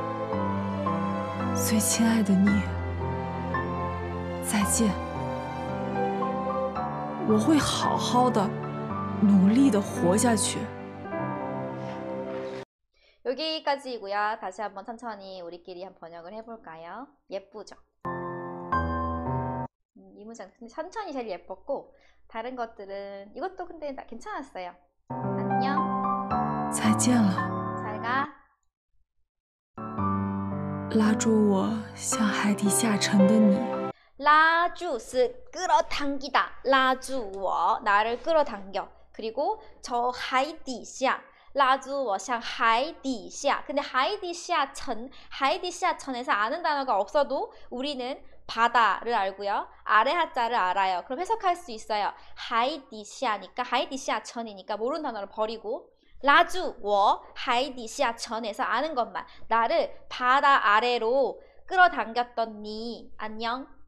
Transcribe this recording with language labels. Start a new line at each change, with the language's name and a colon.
Chinese: 再见了，拉住我向海底下沉的你。你告诉我，游上水面比沉在海底要困难得多。可是，我想看看海面上不一样的风景。最亲爱的你。再见，我会好好的，努力的活下去。
Korean: 여기까지이고요. 다시 한번 천천히 우리끼리 한번 번역을 해볼까요? 예쁘죠? 이 문장 근데 천천히 제일 예뻤고 다른 것들은 이것도 근데 괜찮았어요. 안녕.
Chinese: 再见了，拉住我向海底下沉的你。
Korean: 라주스 끌어당기다. 라주워 나를 끌어당겨. 그리고 저 하이디샤 라주워샹 하이디샤. 근데 하이디샤천에서 아는 단어가 없어도 우리는 바다를 알고요. 아래 하자를 알아요. 그럼 해석할 수 있어요. 하이디샤니까 하이디샤천이니까 모르는 단어를 버리고 라주워 하이디샤천에서 아는 것만 나를 바다 아래로 끌어당겼던 니 안녕.